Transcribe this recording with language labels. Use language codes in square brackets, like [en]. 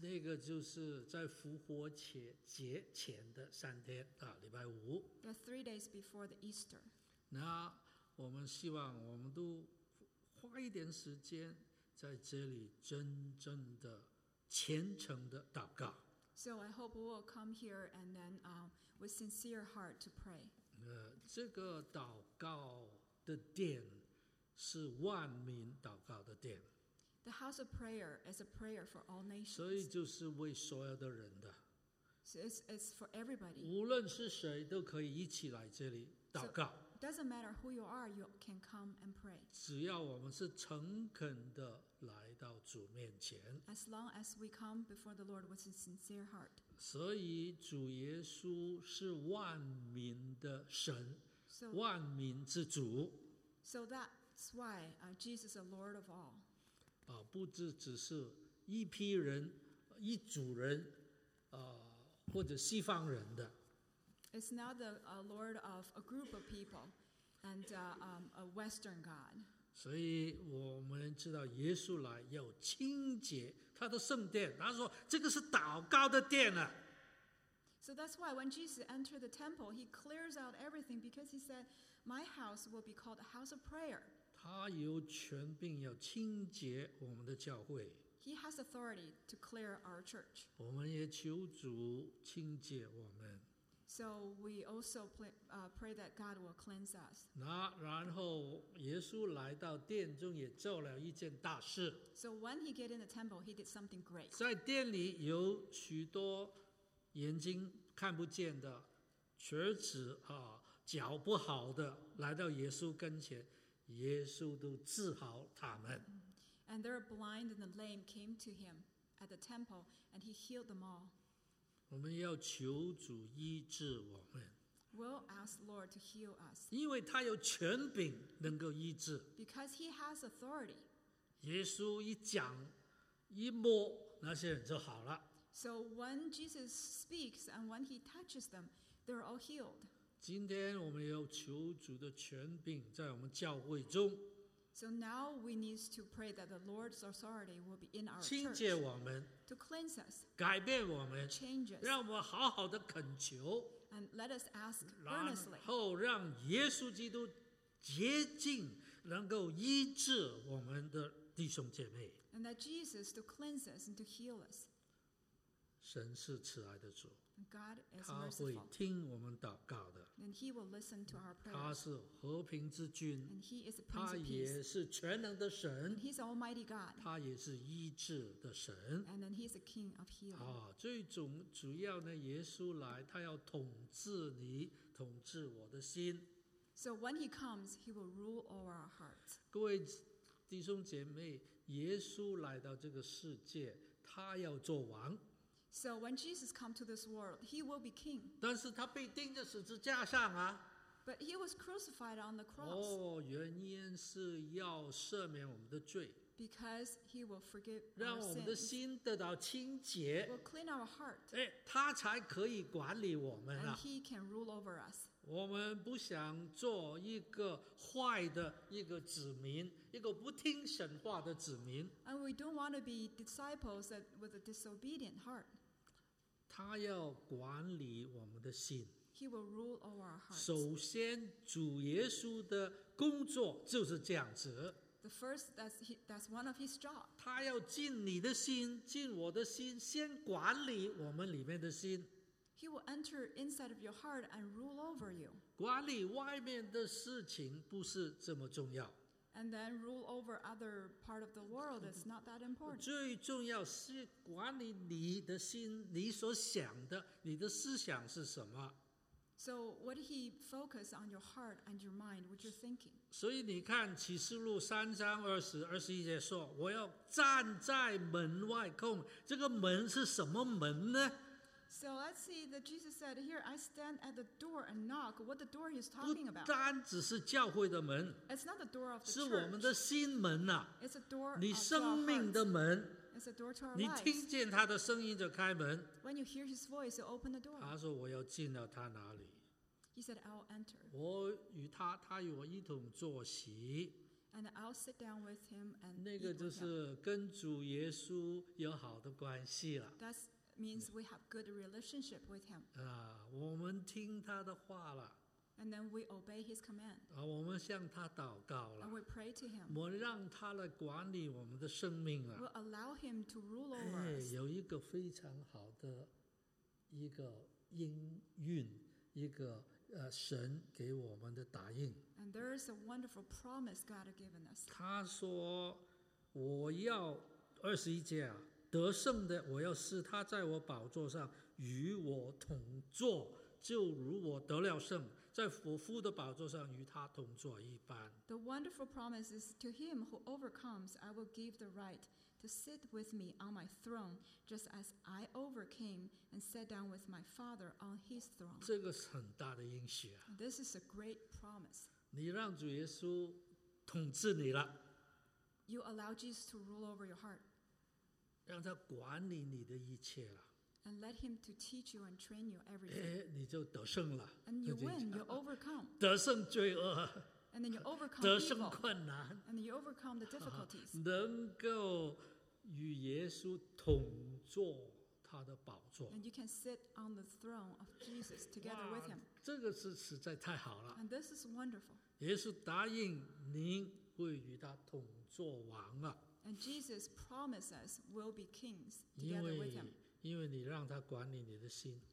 [zh] 那个就是在复活节前的三天啊，礼拜五。 [en] The 3 days before the Easter. [zh] 那我们希望我们都花一点时间在这里真正的虔诚的祷告。 [en] So I hope we'll come here and then with sincere heart to pray. [zh] 这个祷告的殿是万民祷告的殿。 [en] The house of prayer is a prayer for all nations. [zh] 所以就是为所有的人的。 [en] So it's for everybody. [zh] 无论是谁都可以一起来这里祷告。 [en] So it doesn't matter who you are, you can come and pray. [zh] 只要我们是诚恳的来到主面前。 [en] As long as we come before the Lord with a sincere heart. [zh] 所以主耶稣是万民的神，万民之主。 [en] So that's why Jesus is the Lord of all. [zh] 不只是一批人，一组人，或者西方人的。 [en] It's not the Lord of a group of people and a Western God. [zh] 所以我们知道耶稣来要清洁他的圣殿，他说这个是祷告的殿啊。 [en] So that's why when Jesus entered the temple, he clears out everything because he said, my house will be called a house of prayer. [zh] 他有权柄要清洁我们的教会。 [en] He has authority to clear our church. [zh] 我们也求主清洁我们。 [en] So we also pray that God will cleanse us. [zh] 那然后耶稣来到殿中也做了一件大事。 [en] So when he get in the temple, he did something great. [zh] 在殿里有许多眼睛看不见的，瘸子啊，脚不好的来到耶稣跟前，耶稣都治好他们。 [en] And there are blind and the lame came to him at the temple, and he healed them all. [zh] 我们要求主医治我们。 [en] We'll ask Lord to heal us. [zh] 因为他有权柄能够医治。 [en] Because he has authority. [zh] 耶稣一讲，一摸，那些人就好了。 [en] So when Jesus speaks and when he touches them, they're all healed. [zh] 今天我们要求主的权柄在我们教会中。 [en] So now we need to pray that the Lord's authority will be in our church. [zh] 清洁我们。 [en] To cleanse us. [zh] 改变我们。 [en] Change us. [zh] 让我们好好的恳求。 [en] And let us ask earnestly. [zh] 然后让耶稣基督洁净，能够医治我们的弟兄姐妹。 [en] And that Jesus to cleanse us and to heal us. [zh] 神是慈爱的主。 [en] God is merciful. [zh] 他会听我们祷告的。 [en] And he will listen to our prayers. [zh] 他是和平之君。 [en] And he is a Prince of Peace. [zh] 他也是全能的神。 [en] And he's Almighty God. [zh] 他也是医治的神。 [en] And then he's a King of Healing. [zh] 最主要呢，耶稣来，他要统治你，统治我的心。 [en] So when he comes, he will rule over our hearts. [zh] 各位弟兄姐妹，耶稣来到这个世界，他要做王。 [en] So when Jesus come to this world, he will be king. [zh] 但是他被钉在十字架上啊。 [en] But he was crucified on the cross. [zh] 原因是要赦免我们的罪。 [en] Because he will forgive our sins. [zh] 让我们的心得到清洁。 [en] Will clean our heart. [zh] 他才可以管理我们啊。 [en] And he can rule over us. [zh] 我们不想做一个坏的一个子民，一个不听神话的子民。 [en] And we don't want to be disciples with a disobedient heart. [zh] 他要管理我们的心。 [en] He will rule over our hearts. [zh] 首先，主耶稣的工作就是这样子。 [en] The first, that's one of his jobs. [zh] 他要进你的心，进我的心，先管理我们里面的心。 [en] He will enter inside of your heart and rule over you. [zh] 管理外面的事情不是这么重要。 [en] And then rule over other part of the world is not that important. [zh] 最重要是管理你的心，你所想的，你的思想是什么。 [en] So what he focus on your heart and your mind, what you're thinking. [zh] 所以你看启示录三章二十、二十一节说，我要站在门外控，这个门是什么门呢？ [en] So let's see that Jesus said here, I stand at the door and knock. What the door he's talking about? [zh] 不单只是教会的门， [en] it's not the door of the [zh] church. 是我们的心门啊。 [en] It's a door of our heart. [zh] 你生命的门。 [en] It's a door to our lives. [zh] 你听见他的声音就开门。 [en] When you hear his voice, you open the door. [zh] 他说我要进到他哪里。 [en] He said, I'll enter. [zh] 我与他，他与我一同坐席。 [en] And I'll sit down with him and [zh] 那个就是跟主耶稣有好的关系了。 [en] That's means we have good relationship with him. [zh] 啊，我们听他的话了。 [en] And then we obey his command. [zh] 啊，我们向他祷告了。 [en] And we pray to him. [zh] 我让他来管理我们的生命了。 [en] We allow him to rule over us. [zh] 有一个非常好的一个应允，一个神给我们的答应。 [en] And there is a wonderful promise God has given us. [zh] 他说，我要二十一节啊。得胜的，我要使他在我宝座上与我同坐，就如我得了胜，在我父的宝座上与他同坐一般。 [en] The wonderful promise is to him who overcomes, I will give the right to sit with me on my throne, just as I overcame and sat down with my Father on His throne. [zh] 这个是很大的应许啊。 [en] This is a great promise. [zh] 你让主耶稣统治你了。 [en] You allow Jesus to rule over your heart. [zh] 让他管理你的一切了。 [en] And let him to teach you and train you everything. [zh] 哎，你就得胜了。 [en] And you win, you overcome. [zh] 得胜罪恶。 [en] And then you overcome. [zh] 得胜困难。 [en] And you overcome the difficulties. [zh] 能够与耶稣同坐他的宝座。 [en] And you can sit on the throne of Jesus together with him. [zh] 这个是实在太好了。 [en] And this is wonderful. [zh] 耶稣答应您会与他同坐王啊。 [en] And Jesus promises we'll be kings together with him. [zh] 因为你让他管理你的心。